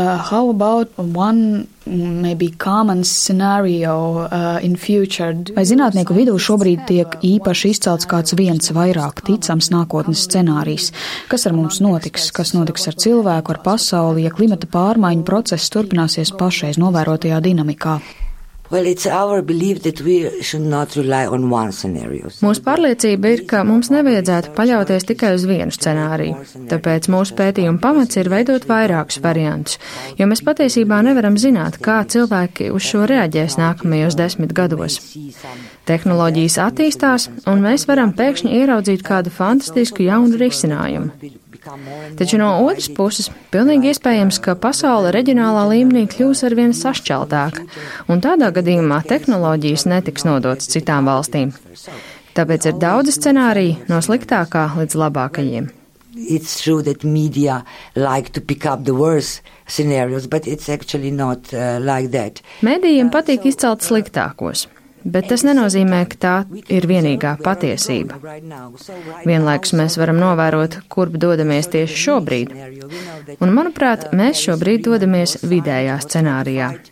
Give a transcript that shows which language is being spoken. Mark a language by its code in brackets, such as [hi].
[en] How about one maybe common scenario in future? [lv] Vai zinātnieku vidū šobrīd tiek īpaši izcelts kāds viens vairāk ticams nākotnes scenārijs? Kas ar mums notiks? Kas notiks ar cilvēku, ar pasauli, ja klimata pārmaiņu process turpināsies pašreiz novērotajā dinamikā? [en] Well, it's our belief that we should not rely on one scenario. [lv] Mūsu pārliecība ir, ka mums nevajadzētu paļauties tikai uz vienu scenāriju. Tāpēc mūsu pētījuma pamats ir veidot vairākus variantus, jo mēs patiesībā nevaram zināt, kā cilvēki uz šo reaģēs nākamajos 10 gados. Tehnoloģijas attīstās, un mēs varam pēkšņi ieraudzīt kādu fantastisku jaunu risinājumu. Taču no otras puses, pilnīgi iespējams, ka pasaule reģionālā līmenī kļūs arvien sašķeltāka, un tādā gadījumā tehnoloģijas netiks nodotas citām valstīm. Tāpēc ir daudz scenāriju no sliktākā līdz labākajiem. [en] It's true that media like to pick up the worst scenarios, but it's actually not like that. [lv] Medijiem patīk izcelt sliktākos. Bet tas nenozīmē, ka tā ir vienīgā patiesība. Vienlaikus mēs varam novērot, kurp dodamies tieši šobrīd. Un, manuprāt, mēs šobrīd dodamies vidējā scenārijā.